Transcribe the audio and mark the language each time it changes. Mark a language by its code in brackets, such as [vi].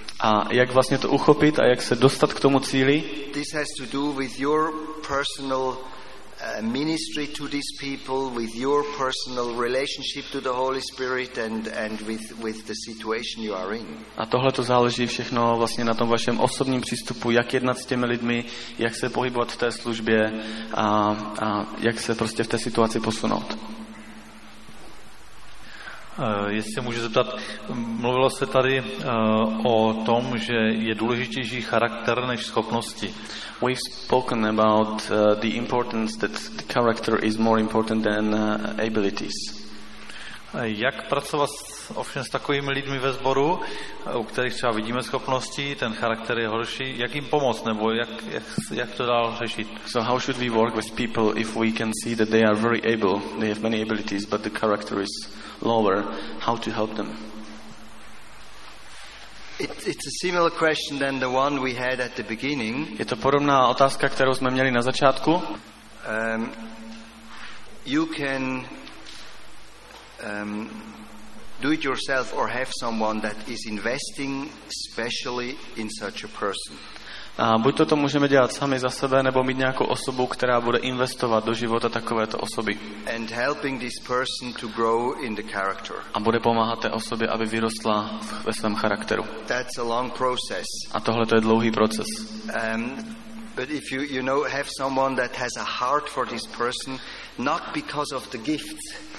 [cs] A jak vlastně to uchopit a jak se dostat k tomu cíli? [en] This has to do with your personal ministry to these people, with your personal relationship to the Holy Spirit and with the situation you are in. [cs] A tohle to záleží všechno vlastně na tom vašem osobním přístupu, jak jednat s těmi lidmi, jak se pohybovat v té službě a jak se prostě v té situaci posunout. Jestli můžu zeptat, mluvilo se tady o tom, že je důležitější charakter než schopnosti. [en] We've spoken about the importance that the character is more important than abilities. [cs] Jak pracovat ovšem s takovými lidmi ve sboru, u kterých třeba vidíme schopnosti, ten charakter je horší, jak jim pomoct nebo jak to dál řešit? [en] So how should we work with people if we can see that they are very able, they have many abilities, but the character is lower, how to help them? It's a similar question than the one we had at the beginning. [cs] Je to podobná otázka, kterou jsme měli na začátku. [en] You can do it yourself or have someone that is investing specially in such a person. [cs] A buď to můžeme dělat sami za sebe nebo mít nějakou osobu, která bude investovat do života takovéto osoby. [en] And helping this person to grow in the character. [cs] A bude pomáhat té osobě, aby vyrostla ve svém charakteru. [en] That's a long process. [cs] A tohle to je dlouhý proces. [en] But if you know have someone that has a heart for this person, not because of the gifts.